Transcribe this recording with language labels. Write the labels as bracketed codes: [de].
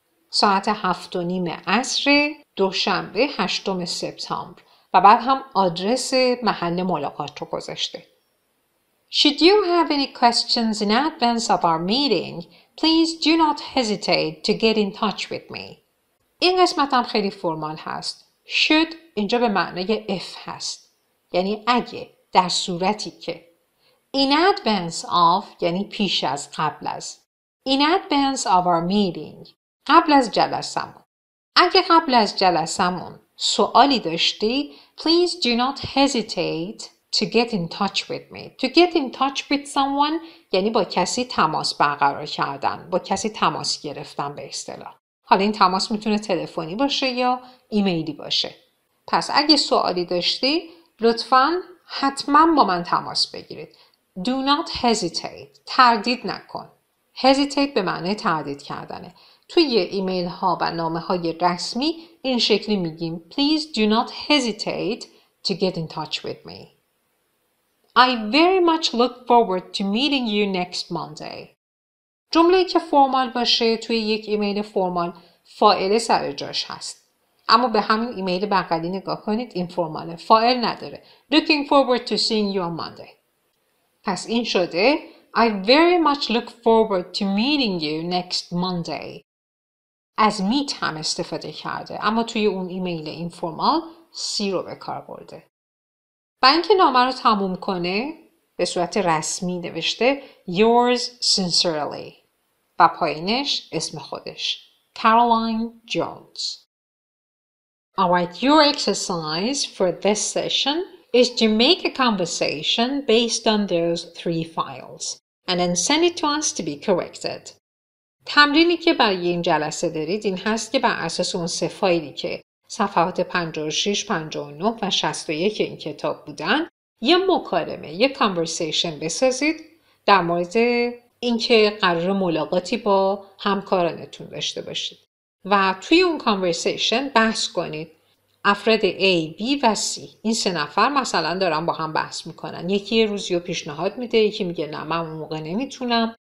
[fa] ساعت 7:30 عصر دوشنبه 8 سپتامبر و بعد هم آدرس محل ملاقات رو گذاشته. [en] Should you have any questions in advance of our meeting, please do not hesitate to get in touch with me. [fa] این قسمت هم خیلی فرمال هست. Should اینجا به معنی if هست. یعنی اگه در صورتی که. In advance of یعنی پیش از قبل از. [en] In advance of our meeting. [fa] قبل از جلسمون. اگه قبل از جلسمون سوالی داشتی [en] please do not hesitate to get in touch with me. To get in touch with someone [fa] یعنی با کسی تماس برقرار کردن. با کسی تماس گرفتن به اصطلاح. حالا این تماس میتونه تلفنی باشه یا ایمیلی باشه. پس اگه سوالی داشتی لطفاً حتما با من تماس بگیرید. [en] Do not hesitate. تردید نکن. [fa] Hesitate به معنی تردید کردنه. توی ایمیل ها و نامه های رسمی این شکلی میگیم [en] Please do not hesitate to get in touch with me. I very much look forward to meeting you next Monday. [fa] جمله‌ای که فرمال باشه توی یک ایمیل فرمال فاعل سر جاش هست. اما به همین ایمیل بغلی نگاه کنید این فرماله. فاعل نداره. [en] Looking forward to seeing you on Monday. [fa] پس این شده [en] I very much look forward to meeting you next Monday. [fa] از meet هم استفاده کرده. اما توی اون ایمیل این فرمال سی رو به کار برده. برای اینکه نامه رو تموم کنه به صورت رسمی نوشته [en] Yours sincerely [fa] و پایینش اسم خودش Caroline Jones. [en] Alright, your exercise for this session is to make a conversation based on those three files and then send it to us to be corrected. [fa] تمرینی که برای این جلسه دارید این هست که بر اساس اون سه فایلی که صفحات 56, 59 و 61 این کتاب بودن یه مکالمه، یه کانورسیشن بسازید در مورد اینکه قرار ملاقاتی با همکارانتون داشته باشید و توی اون کانورسیشن بحث کنید افراد A, B و C این سه نفر مثلا دارن با هم بحث میکنن یکی یه روزی رو پیشنهاد میده یکی میگه نه من اون موقع نمیتونم